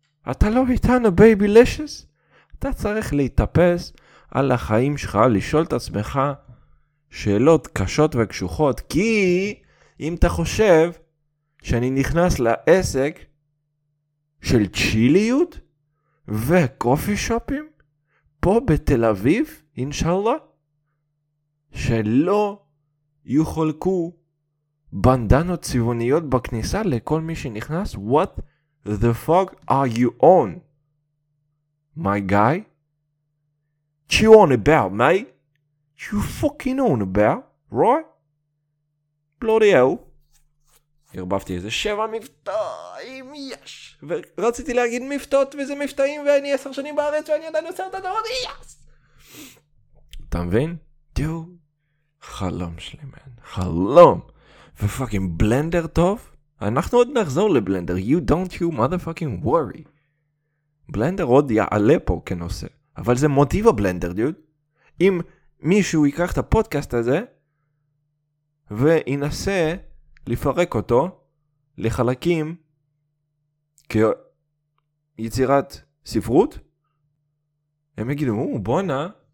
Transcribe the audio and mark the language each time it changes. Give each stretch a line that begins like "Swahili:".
Hebrew: אתה לא איתנו, בייבילישס? אתה צריך להתאפס על החיים שלך, לשאול את עצמך שאלות קשות וקשוחות, כי אם אתה חושב שאני נכנס לעסק של צ'יליות וקופי שופים פה בתל אביב, אינשאללה, שלא יחולקו בנדנות צבעוניות בכניסה לכל מי שנכנס,
English: what the fuck are you on, my guy? What you on about, mate? What you fucking on about, right? Bloody hell.
Hebrew: הרבבתי איזה 7 מבטאים, יש! ורציתי להגיד מבטאות וזה מבטאים ואני 10 שנים בארץ ואני עדיין עושה את הדבר, יש! אתה מבין? דו, חלום שלי, מן, חלום! ופאקינג בלנדר טוב? אנחנו עוד נחזור לבלנדר,
English: you don't you motherfucking worry.
Hebrew: בלנדר עוד יעלה פה כנושא, אבל זה מוטיב הבלנדר, דוד. אם מישהו ייקח את הפודקאסט הזה וינסה לפרק אותו לחלקים כיצירת ספרות, הם יגידו, בונה,